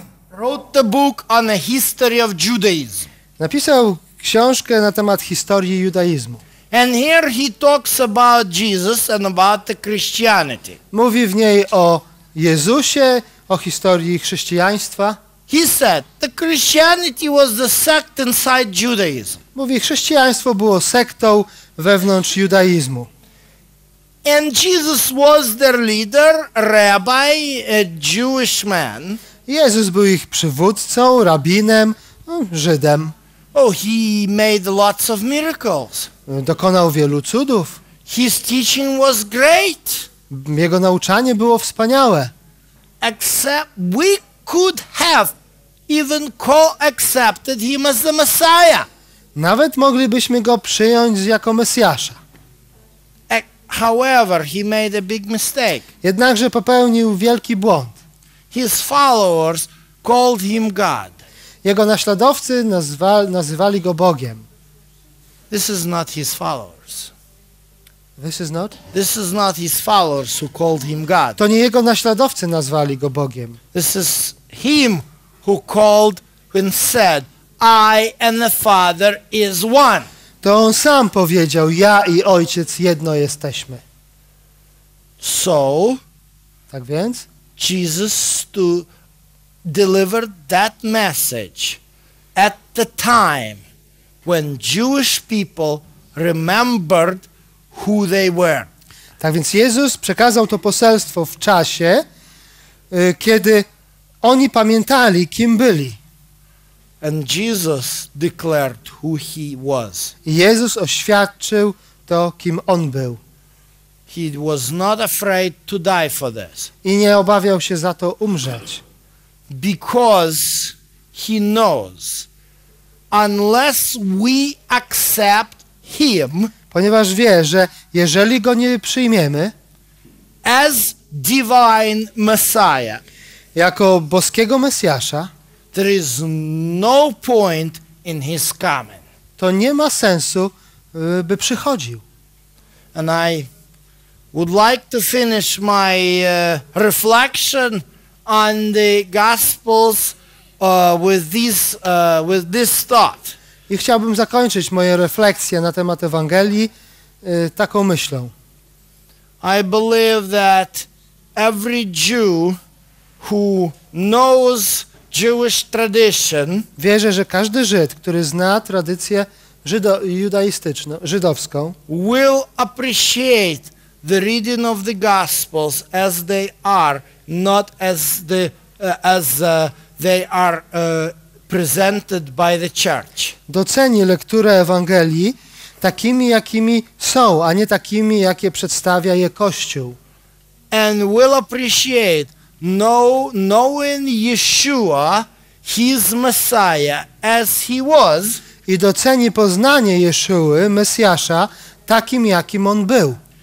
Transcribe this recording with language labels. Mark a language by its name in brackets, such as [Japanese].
[English] wrote the book on the history of Judaism. [Polish] Napisał książkę na temat historii judaizmu. [English] And here he talks about Jesus and about the Christianity. [Polish] Mówi w niej o Jezusie, o historii chrześcijaństwa. [English] He said the Christianity was the sect inside Judaism. [Polish] Mówi, chrześcijaństwo było sektą wewnątrz judaizmu. [English] And Jesus was their leader, rabbi, a Jewish man. [Polish] Jezus był ich przywódcą, rabinem, Żydem. [English] Oh, he made lots of miracles. [Polish] Dokonał wielu cudów. [English] His teaching was great. [Polish] Jego nauczanie było wspaniałe. [English] Except we could have even co-accepted him as the Messiah. [Polish] Nawet moglibyśmy go przyjąć jako Mesjasza. [English] However, he made a big mistake. [Polish] Jednakże popełnił wielki błąd. [English] His followers called him God. [Polish] Jego naśladowcy nazywali go Bogiem. [English] This is not his followers. This is not his followers who called him God. [Polish] To nie jego naśladowcy nazwali go Bogiem. [English] This is him who called and said, I and the Father is one. [Polish] To on sam powiedział, ja i Ojciec jedno jesteśmy. [English] So, [Polish] tak więc, [English] Jesus delivered that message at the time when Jewish people remembered who they were. [Polish] Tak więc Jezus przekazał to poselstwo w czasie, kiedy oni pamiętali, kim byli. [English] And Jesus declared who he was. [Polish] Jezus oświadczył to, kim on był. [English] He was not afraid to die for this. [Polish] I nie obawiał się za to umrzeć. [English] Because he knows, unless we accept him, [Polish] ponieważ wie, że jeżeli go nie przyjmiemy, [English] as divine Messiah, [Polish] jako boskiego Mesjasza, [English] there is no point in his coming. [Polish] To nie ma sensu, by przychodził. [English] And I would like to finish my reflection on the Gospels with this thought. [Polish] I chciałbym zakończyć moje refleksje na temat Ewangelii taką myślą. [English] I believe that every Jew who knows Jewish tradition, [Polish] wierzę, że każdy Żyd, który zna tradycję judaistyczną, żydowską, [English] will appreciate the reading of the Gospels as they are, not as the as they are presented by the church. [Polish] Doceni lekturę Ewangelii takimi, jakimi są, a nie takimi, jakie przedstawia je Kościół. [English] And will appreciate knowing Yeshua, his Messiah, as he was. [Polish] I doceni poznanie Jeszuły, Mesjasza, takim, jakim on był.